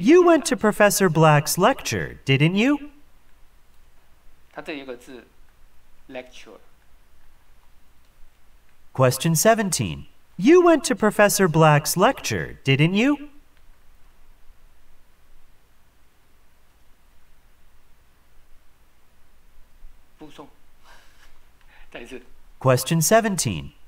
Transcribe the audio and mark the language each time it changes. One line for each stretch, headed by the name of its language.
English: You went to Professor Black's lecture, didn't you？
Chinese: 它这一个字 lecture。
English: Question 17。 You went to Professor Black's lecture, didn't you？
Chinese: 不送，再一次。
English: Question 17.